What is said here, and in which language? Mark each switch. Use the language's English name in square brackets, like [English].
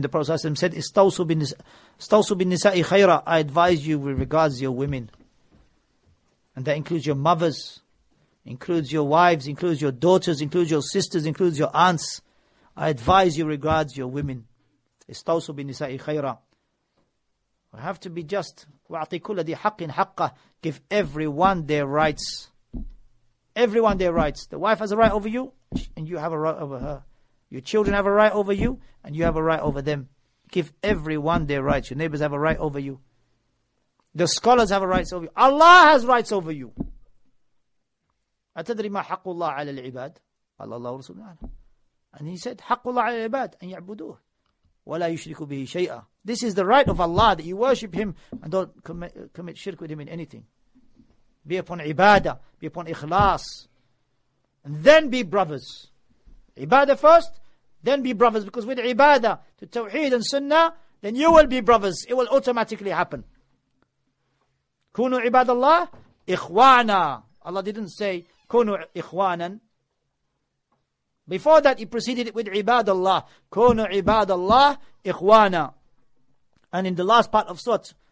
[English] The Prophet ﷺ said, [Arabic] Istawsu bin nisa'i khayra, [English] I advise you with regards to your women. And that includes your mothers, includes your wives, includes your daughters, includes your sisters, includes your aunts. I advise you with regards to your women. [Arabic] Istawsu bin nisa'i khayra. [English] We have to be just. [Arabic] وَعْطِ كُلَّ ذِي حَقٍ حَقَّ [English] Give everyone their rights. Everyone their rights. The wife has a right over you, and you have a right over her. Your children have a right over you, and you have a right over them. Give everyone their rights. Your neighbors have a right over you. The scholars have a right over you. Allah has rights over you. [Arabic] أَتَدْرِ مَا حَقُّ اللَّهِ عَلَى الْعِبَادِ قَالَ اللَّهُ رَسُولُ اللَّهِ [English] And he said, [Arabic] حَقُّ اللَّهِ عَلَى الْعِبَادِ أَنْ يَعْبُدُوهُ وَلَا يُشْرِكُ بِهِ شَيْئًا [English] This is the right of Allah, that you worship Him and don't commit shirk with Him in anything. Be upon ibadah, be upon ikhlas, and then be brothers. Ibadah first, then be brothers. Because with ibadah, to tawheed and sunnah, then you will be brothers. It will automatically happen. [Arabic] كُونُوا عِبَادَ اللَّهِ إِخْوَانًا [English] Allah didn't say, [Arabic] كُونُوا إِخْوَانًا [English] Before that, He preceded it with [Arabic] عِبَادَ اللَّهِ كُونُوا عِبَادَ اللَّهِ إِخْوَانًا [English] And in the last part of Surah,